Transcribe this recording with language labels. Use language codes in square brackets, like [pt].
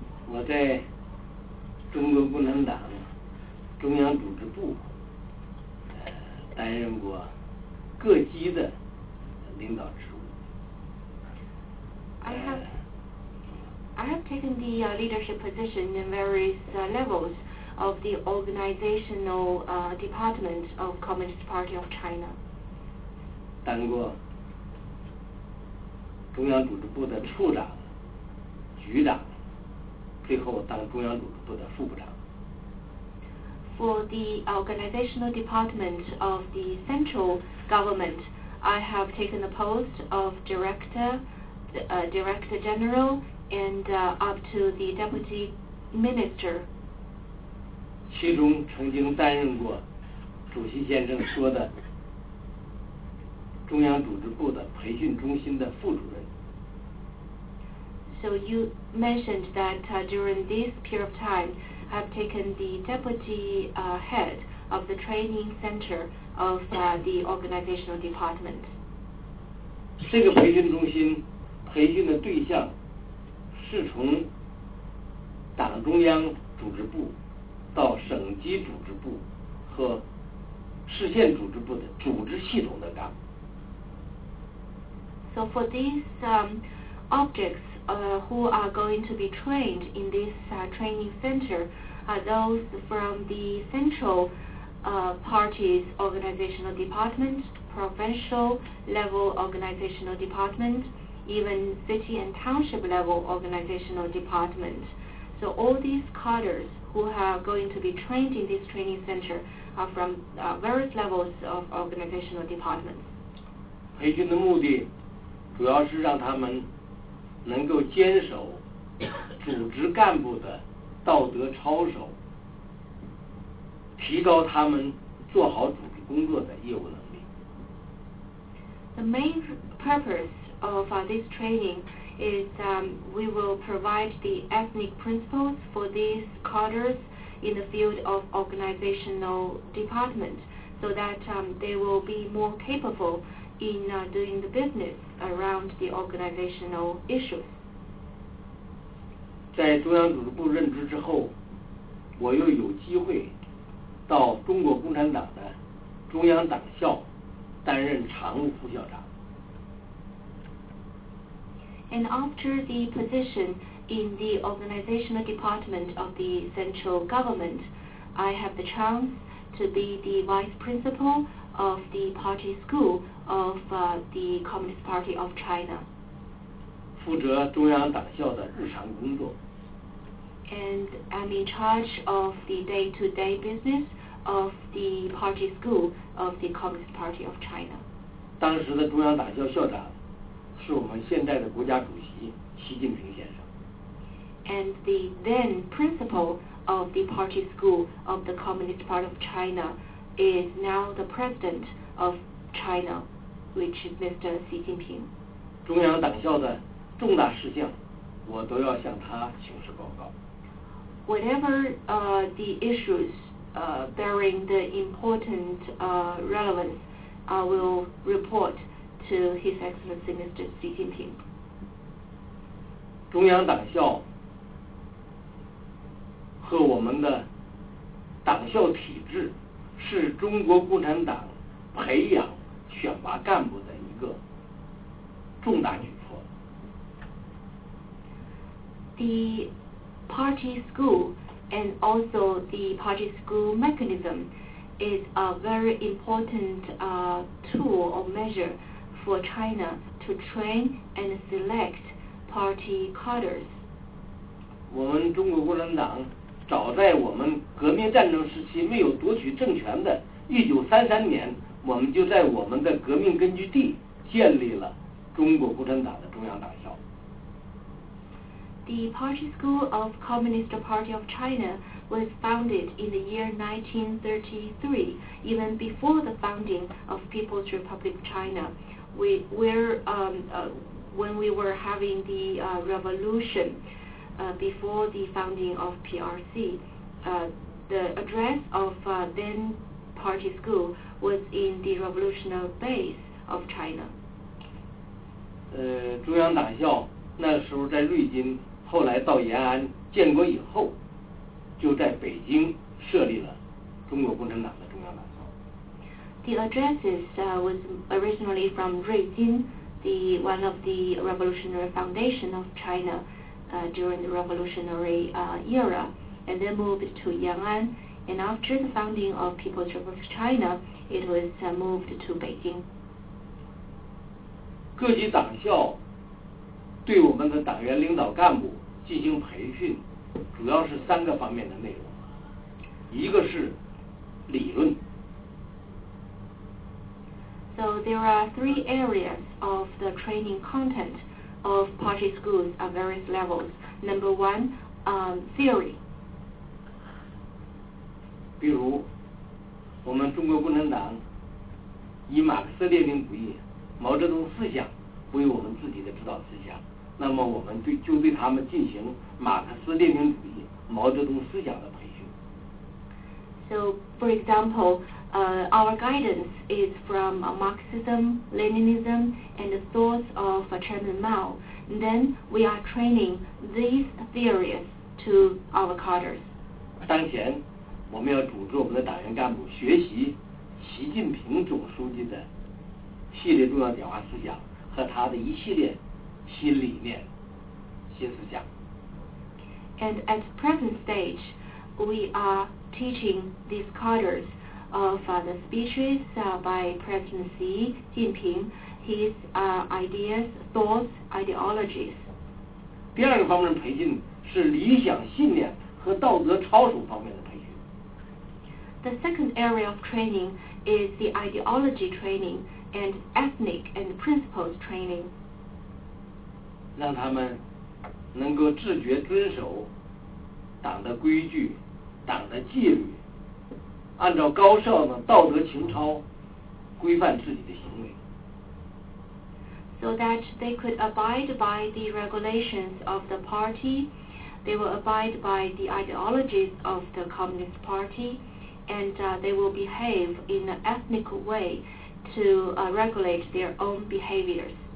[zh] 我在中国共产党中央组织部担任过各级的领导职务。 [en] I have taken the leadership position in various levels of the organizational department of Communist Party of China. [zh] 当过中央组织部的处长、局长，最后当中央组织部的副部长。 [en] For the organizational department of the central government, I have taken the post of director general. And up to the deputy minister. [zh] 其中曾经担任过主席先生说的中央组织部的培训中心的副主任。 [en] So you mentioned that during this period of time, I've taken the deputy head of the training center of the organizational department. [zh] 这个培训中心培训的对象是从党中央组织部到省级组织部和实现组织部的组织系统的干部。 [en] So for these objects who are going to be trained in this training center are those from the central parties, organizational department, provincial level organizational department, even city and township level organizational department. So all these cadres who are going to be trained in this training center are from various levels of organizational departments. [zh] 培训的目的主要是让他们能够坚守组织干部的道德操守，提高他们做好组织工作的业务能力。 [en] The main purpose of this training is we will provide the ethnic principles for these cadres in the field of organizational department so that they will be more capable in doing the business around the organizational issues. [zh] 在中央组织部任职之后，我又有机会到中国共产党的中央党校担任常务副校长。 [en] And after the position in the organizational department of the central government, I have the chance to be the vice principal of the party school of the Communist Party of China. [zh] 负责中央党校的日常工作。 [en] And I'm in charge of the day-to-day business of the party school of the Communist Party of China. [zh] 当时的中央党校校长是我们现在的国家主席习近平先生。 [en] And the then principal of the party school of the Communist Party of China is now the president of China, which is Mr. Xi Jinping. [zh] 中央党校的重大事项，我都要向他请示报告。 [en] Whatever the issues bearing the important relevance, I will report to His Excellency Mr. Xi Jinping. [zh] 中央党校和我们的党校体制是中国共产党培养选拔干部的一个重大举措。 [en] The party school and also the party school mechanism is a very important tool or measure for China to train and select party cadres. [zh] 我们中国共产党早在我们革命战争时期没有夺取政权的1933年，我们就在我们的革命根据地建立了中国共产党的中央党校。 [en] The Party School of Communist Party of China was founded in the year 1933, even before the founding of People's Republic of China. When we were having the revolution,before the founding of PRC, the address of then party school was in the revolutionary base of China. [zh] 中央党校那时候在瑞金，后来到延安建国以后，就在北京设立了中国共产党的中央党校。 [en] The addresses was originally from Ruijin, the one of the revolutionary foundation of China. During the revolutionary era, and then moved to Yan'an, and after the founding of People's Republic of China, it was moved to Beijing. [zh] 各级党校对我们的党员领导干部进行培训，主要是三个方面的内容。一个是理论。 [en] So there are three areas of the training content. Of party schools at various levels. Number one, theory. [zh] 比如，我们中国共产党以马克思列宁主义、毛泽东思想为我们自己的指导思想，那么我们对他们进行马克思列宁主义、毛泽东思想的培训。 [en] So, for example, our guidance is from Marxism, Leninism, and the thoughts of Chairman Mao. Then we are training these theories to our cadres. [zh] 当前，我们要组织我们的党员干部学习习近平总书记的系列重要讲话思想和他的一系列新理念、新思想。 [en] And at present stage, we are teaching these cadres of the speeches by President Xi Jinping, his ideas, thoughts, ideologies. [zh] 第二个方面的培训是理想信念和道德操守方面的培训。 [en] The second area of training is the ideology training and ethic and principles training. [zh] 让他们能够自觉遵守党的规矩、党的纪律，按照高效的道德情操规范自己的行为。 [en] So that they could abide by the regulations of the party, they will abide by the ideologies of the Communist Party, and they will behave in an ethical way to regulate their own behaviors.